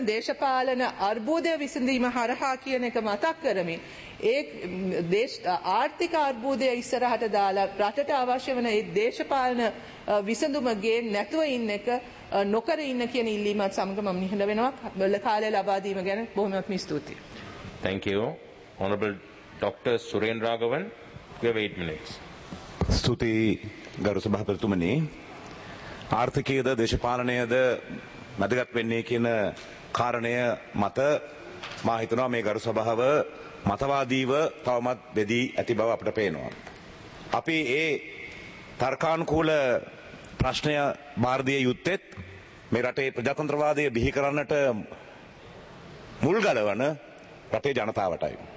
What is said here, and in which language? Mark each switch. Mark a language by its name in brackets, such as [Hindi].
[Sinhala] දේශපාලන අර්බුදය විසඳීම හරහා කියන එක මතක් කරමින් ඒ ආර්ථික අර්බුදය ඉස්සරහට දාලා රටට අවශ්‍ය වන ඒ දේශපාලන විසඳුම ගේන් නැතුව ඉන්න එක නොකර ඉන්න කියන ඉල්ලීමත් සමඟ මම නිහඬ වෙනවා. බල කාලය ලබා දීම ගැන බොහොමත්ම ස්තුතියි. [English] Thank you. Honorable Dr. Suren Raghavan, you have 8 minutes. [Sinhala] ස්තුති ගරු සභාපතිතුමනි. ආර්ථිකයේද දේශපාලනයේද වැදගත් වෙන්නේ කියන කාරණය මත මා හිතනවා මේ ගරු සභාව මතවාදීව තවමත් බෙදී ඇති බව අපට පේනවා. අපි ඒ තර්කානුකූල ප්‍රශ්නය මාර්දිය යුත්තෙත් මේ රටේ ප්‍රජාතන්ත්‍රවාදය බිහි කරන්නට මුල් ගලවන රටේ ජනතාවටයි.